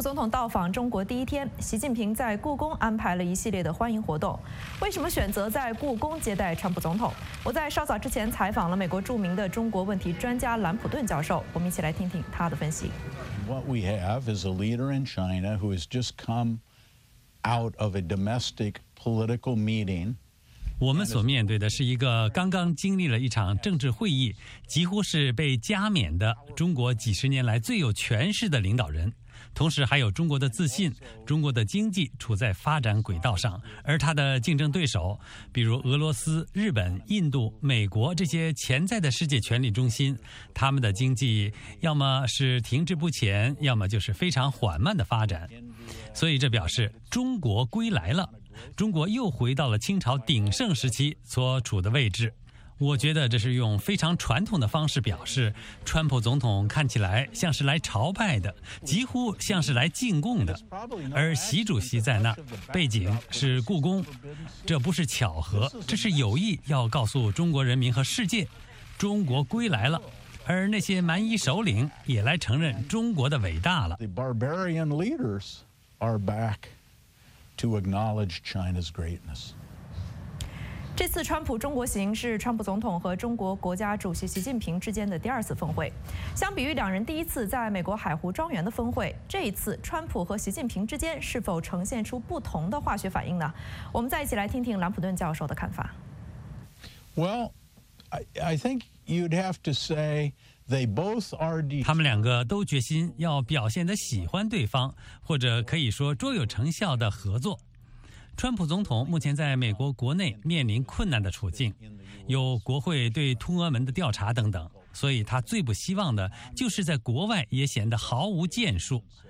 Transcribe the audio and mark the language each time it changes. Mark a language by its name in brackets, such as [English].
[Chinese] 到访中国第一天，习近平在故宫安排了一系列的欢迎活动。为什么选择在故宫接待川普总统？我在稍早之前采访了美国著名的中国问题专家兰普顿教授，我们一起来听听他的分析。 [English] What we have is a leader in China who has just come out of a domestic political meeting. [Chinese] 我们所面对的是一个刚刚经历了一场政治会议，几乎是被加冕的中国几十年来最有权势的领导人。同时还有中国的自信，中国的经济处在发展轨道上，而他的竞争对手，比如俄罗斯、日本、印度、美国这些潜在的世界权力中心，他们的经济要么是停滞不前，要么就是非常缓慢的发展。所以这表示中国归来了，中国又回到了清朝鼎盛时期所处的位置。我觉得这是用非常传统的方式表示，川普总统看起来像是来朝拜的，几乎像是来进贡的。而习主席在那，背景是故宫，这不是巧合，这是有意要告诉中国人民和世界，中国归来了。而那些蛮夷首领也来承认中国的伟大了。 [English] The barbarian leaders are back to acknowledge China's greatness. [Chinese] 这次川普中国行是川普总统和中国国家主席习近平之间的第二次峰会。相比于两人第一次在美国海湖庄园的峰会，这一次川普和习近平之间是否呈现出不同的化学反应呢？我们再一起来听听兰普顿教授的看法。 [English] Well, I think you'd have to say they both are. [Chinese] 他们两个都决心要表现得喜欢对方，或者可以说卓有成效的合作。川普总统目前在美国国内面临困难的处境，有国会对通俄门的调查等等，所以他最不希望的就是在国外也显得毫无建树。